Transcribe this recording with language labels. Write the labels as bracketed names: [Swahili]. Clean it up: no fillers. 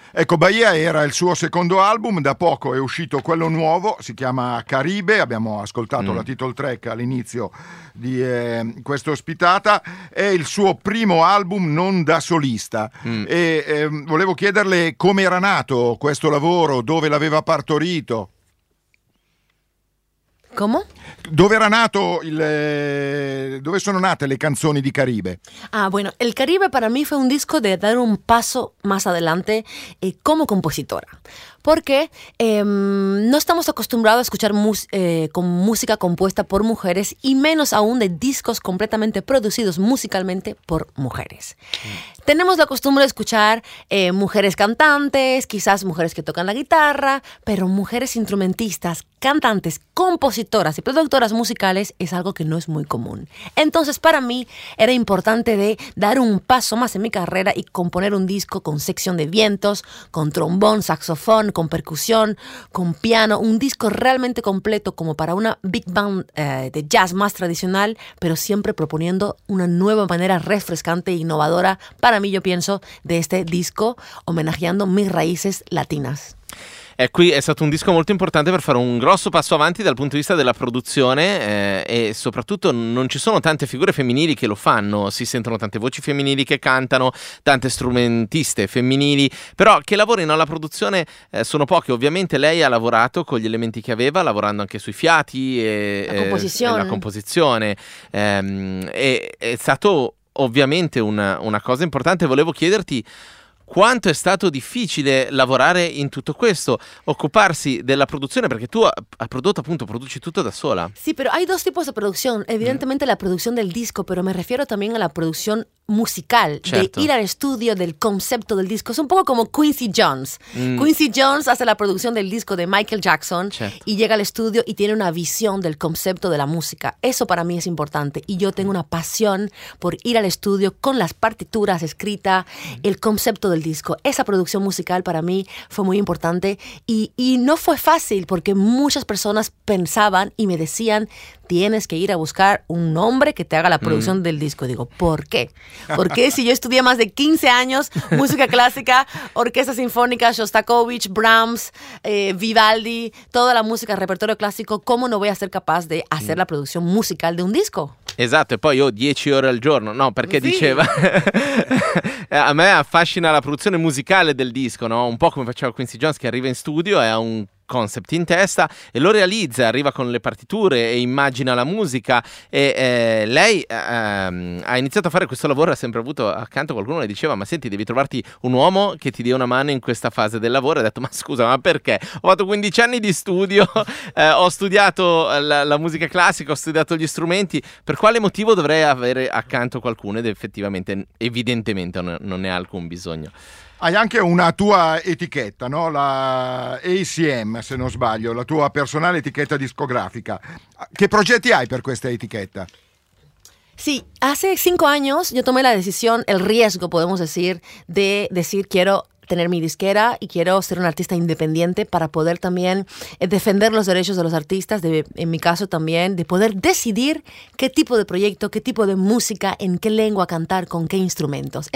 [Italian] Ecco, Bahia era il suo secondo album, da poco è uscito quello nuovo, si chiama Caribe, abbiamo ascoltato la title track all'inizio di questa ospitata, è il suo primo album non da solista. E volevo chiederle come era nato questo lavoro, dove l'aveva partorito. Come? Dove sono nate le canzoni di Caribe? [Spanish] Ah, bueno, el Caribe para mí fue un disco de dar un paso más adelante como compositora. Porque no estamos acostumbrados a escuchar con música compuesta por mujeres y menos aún de discos completamente producidos musicalmente por mujeres. Tenemos la costumbre de escuchar mujeres cantantes, quizás mujeres que tocan la guitarra, pero mujeres instrumentistas, cantantes, compositoras y productoras musicales es algo que no es muy común. Entonces, para mí era importante dar un paso más en mi carrera y componer un disco con sección de vientos, con trombón, saxofón, con percusión, con piano, un disco realmente completo como para una big band de jazz más tradicional, pero siempre proponiendo una nueva manera refrescante e innovadora, para mí, yo pienso, de este disco, homenajeando mis raíces latinas. [Italian] E qui è stato un disco molto importante per fare un grosso passo avanti dal punto di vista della produzione, e soprattutto non ci sono tante figure femminili che lo fanno. Si sentono tante voci femminili che cantano, tante strumentiste femminili, però che lavorino alla produzione sono poche. Ovviamente lei ha lavorato con gli elementi che aveva, lavorando anche sui fiati e la composizione, è stato ovviamente una cosa importante. Volevo chiederti: quanto è stato difficile lavorare in tutto questo, occuparsi della produzione, perché tu hai prodotto, appunto, produci tutto da sola. Sì, però [Spanish] hay dos tipos de producción, evidentemente la producción del disco, pero me refiero también a la producción musical, [Italian] certo, [Spanish] de ir al estudio del concepto del disco. Es un poco como Quincy Jones. Quincy Jones hace la producción del disco de Michael Jackson, [Italian] certo, [Spanish] y llega al estudio y tiene una visión del concepto de la música. Eso para mí es importante, y yo tengo una pasión por ir al estudio con las partituras escritas, el concepto del disco. Esa producción musical para mí fue muy importante, y no fue fácil, porque muchas personas pensaban y me decían: tienes que ir a buscar un hombre que te haga la producción del disco. Digo, ¿por qué? ¿Por qué si yo estudié más de 15 años música clásica, orquesta sinfónica, Shostakovich, Brahms, Vivaldi, toda la música, repertorio clásico, cómo no voy a ser capaz de hacer la producción musical de un disco? [Italian] Esatto, e poi io 10 ore al giorno, no, perché sì, diceva, a me affascina la produzione musicale del disco, no? Un po' come faceva Quincy Jones, che arriva in studio e ha un concept in testa e lo realizza, arriva con le partiture e immagina la musica. E lei ha iniziato a fare questo lavoro, ha sempre avuto accanto qualcuno, le diceva: ma senti, devi trovarti un uomo che ti dia una mano in questa fase del lavoro. E ha detto: ma scusa, ma perché? Ho fatto 15 anni di studio, ho studiato la musica classica, ho studiato gli strumenti, per quale motivo dovrei avere accanto qualcuno? Ed effettivamente, evidentemente, non ne ha alcun bisogno. Hai anche una tua etichetta, no? La ACM, se non sbaglio, la tua personale etichetta discografica. Che progetti hai per questa etichetta? [Spanish] Sì, hace 5 años yo tomé la decisión, el riesgo, podemos decir, de decir quiero tener mi disquera y quiero ser un artista independiente para poder también defender los derechos de los artistas, en mi caso también, de poder decidir qué tipo de proyecto, qué tipo de música, en qué lengua cantar, con qué instrumentos.